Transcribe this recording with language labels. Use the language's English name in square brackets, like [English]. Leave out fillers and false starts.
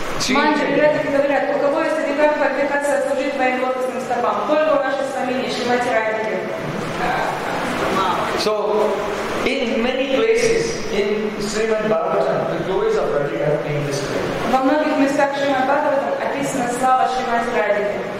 [Russian] Манджари Радхики говорят, у кого есть одинаковая квалификация служить твоим лотосным стопам? Только ваши свамини, Шримати Радхики. [English] So, in many places, in Srimad Bhagavatam, the glories of Radhika have been described. [Russian] Во многих местах Шримад Бхагаватам описана слава Шримати Радхики.